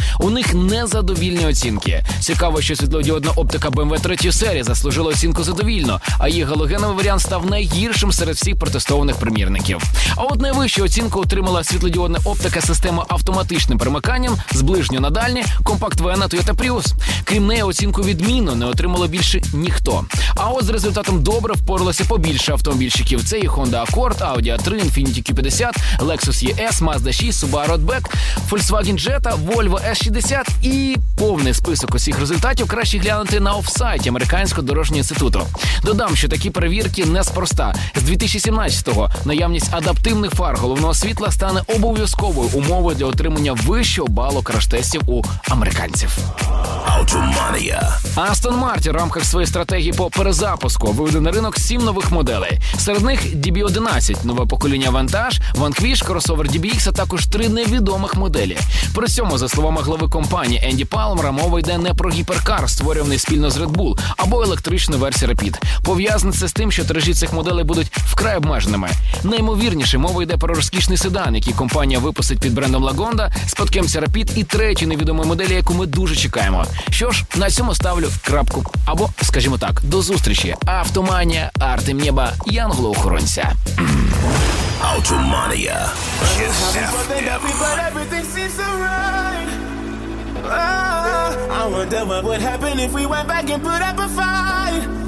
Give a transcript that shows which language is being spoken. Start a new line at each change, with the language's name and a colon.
Ukrainian: У них незадовільні оцінки. Цікаво, що світлодіодна оптика BMW 3 серії заслужила оцінку задовільно, а її галогеновий варіант став найгіршим серед всіх протестованих примірників. А от найвищу оцінку отримала світлодіодна оптика системи автоматичним перемиканням з ближнього на дальнє компакт-вена Toyota Prius. Крім неї, оцінку відмінно не отримало більше ніхто. А от з результатом добре впоралося побільше автомобільщиків. Це і Honda Accord, Audi A3, Infiniti Q50, Lexus ES, Mazda 6, Subaru Outback, Volkswagen Jetta, Volvo S60 і повний список усіх результатів краще глянути на офсайті Американського дорожнього інституту. Додам, що такі перевірки неспроста. З 2017-го наявність адаптивних фар головного світла стане обов'язковою умовою для отримання вищого балу краш-тестів у американців. Automania. Aston Martin в рамках своєї стратегії по перезапуску виведе на ринок 7 нових моделей. Серед них DB11, нове покоління Vantage, Vanquish, кросовер DBX, а також три невідомих моделі. При цьому, за словами голови компанії Енді Палмера, мова йде не про гіперкар, створюваний спільно з Red Bull, або електричну версію Rapid. Пов'язане це з тим, що тиражі цих моделей будуть вкрай обмеженими. Найімовірніше, мова йде про розкішний седан, який компанія випустить під брендом Lagonda, спадкоємця Rapid і третю невідомої моделі, яку ми дуже чекаємо. Що ж, на цьому ставлю крапку. Або, скажімо так, до зустрічі. Автоманія, Артем Неба, Ян Глоухоронця. Автоманія.
English: I wonder what would happen if we went back and put up a fight.